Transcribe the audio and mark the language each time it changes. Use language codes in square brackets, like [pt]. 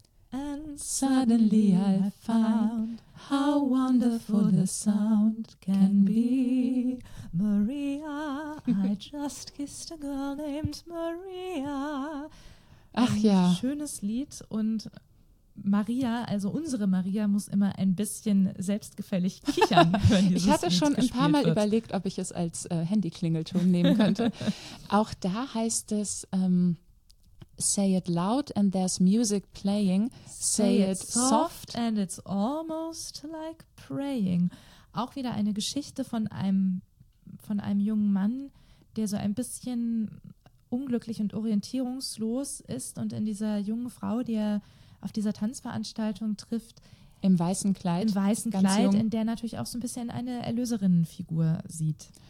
[en] And suddenly I found how wonderful the sound can be. Maria, I just kissed a girl named Maria. [de] Ach ja. Ein schönes Lied und Maria, also unsere Maria, muss immer ein bisschen selbstgefällig kichern, wenn dieses Lied. Ich hatte schon ein paar Mal überlegt, ob ich es als Handy-Klingelton nehmen könnte. Auch da heißt es [en] say it loud and there's music playing. Say it soft and it's almost like praying. [de] Auch wieder eine Geschichte von einem jungen Mann, der so ein bisschen unglücklich und orientierungslos ist und in dieser jungen Frau, die er auf dieser Tanzveranstaltung trifft. Im weißen Kleid. Im weißen Kleid, jung. In der natürlich auch so ein bisschen eine Erlöserinnenfigur sieht.